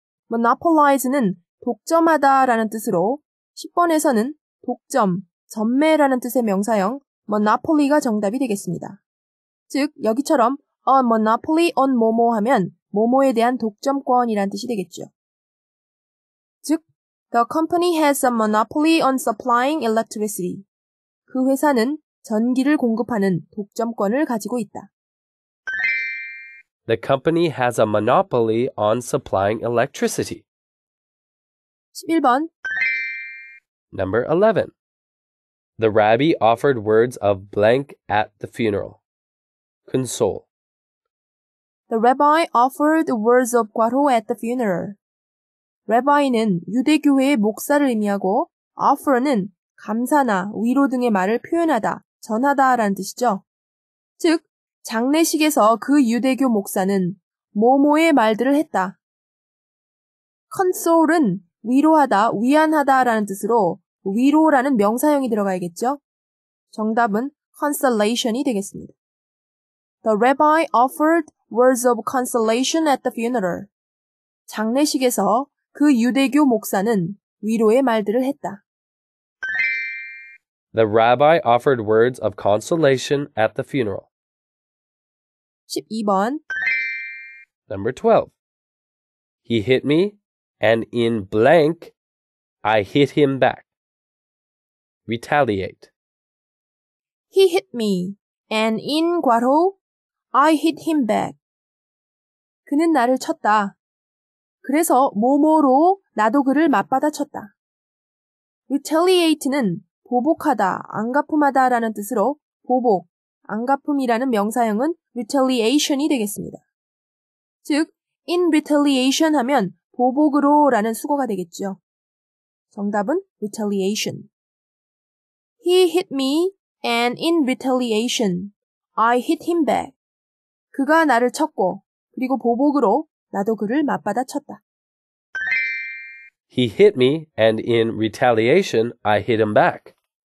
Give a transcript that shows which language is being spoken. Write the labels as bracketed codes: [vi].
[ko] Monopolize는 독점하다 라는 뜻으로 10번에서는 독점, 전매라는 뜻의 명사형 monopoly가 정답이 되겠습니다. 즉, 여기처럼 a monopoly on 뭐뭐 하면 뭐뭐에 대한 독점권이란 뜻이 되겠죠. [en] 즉, the company has a monopoly on supplying electricity. [ko] 그 회사는 전기를 공급하는 독점권을 가지고 있다. [en] The company has a monopoly on supplying electricity. [ko] 11번. [en] Number 11. The rabbi offered words of blank at the funeral. Console. The rabbi offered words of 과로 at the funeral. [ko] Rabbi는 유대교회의 목사를 의미하고 offer는 감사나 위로 등의 말을 표현하다, 전하다 라는 뜻이죠. 즉, 장례식에서 그 유대교 목사는 뭐뭐의 말들을 했다. console은 위로하다, 위안하다 라는 뜻으로 위로라는 명사형이 들어가야겠죠? 정답은 consolation이 되겠습니다. [en] The rabbi offered words of consolation at the funeral. [ko] 장례식에서 그 유대교 목사는 위로의 말들을 했다. [en] The rabbi offered words of consolation at the funeral. [ko] 12번. [en] Number 12. He hit me, and in blank, I hit him back. Retaliate. He hit me, and in 과로, I hit him back. [ko] 그는 나를 쳤다. 그래서 뭐뭐로 나도 그를 맞받아 쳤다. Retaliate는 보복하다, 안갚음하다 라는 뜻으로 보복, 안갚음이라는 명사형은 retaliation이 되겠습니다. 즉, in retaliation 하면 보복으로 라는 수거가 되겠죠. 정답은 retaliation. [en] He hit me and in retaliation, I hit him back. [ko] 그가 나를 쳤고, 그리고 보복으로 나도 그를 맞받아 쳤다. [en] He hit me and in retaliation, I hit him back.